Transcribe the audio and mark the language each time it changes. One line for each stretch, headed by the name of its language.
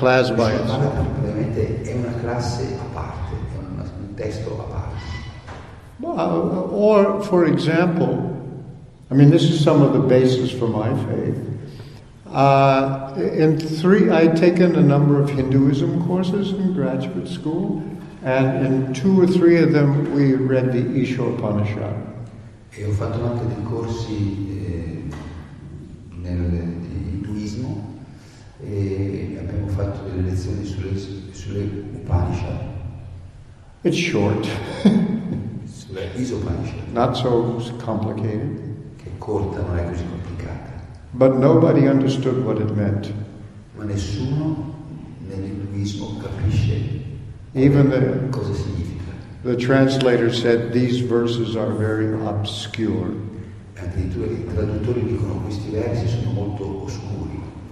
Italian: Ovviamente è una classe a parte, è un testo a parte.
English: Or, for example, I mean this is some of the basis for my faith. I'd taken a number of Hinduism courses in graduate school. And in two or three of them, we read the Isha Upanishad.
Italian: E ho fatto anche dei corsi di induismo e abbiamo fatto delle lezioni sulle Upanishad.
English: It's short.
Italian: Sulle Isha Upanishad.
English: Not so complicated.
Italian: Che corta, non è così complicata.
English: But nobody understood what it meant.
Italian: Ma nessuno nell'induismo capisce.
English: Even the,
Italian: cosa significa.
English: The translator said these verses are very obscure.
Italian: Addirittura i traduttori dicono questi versi sono molto oscuri.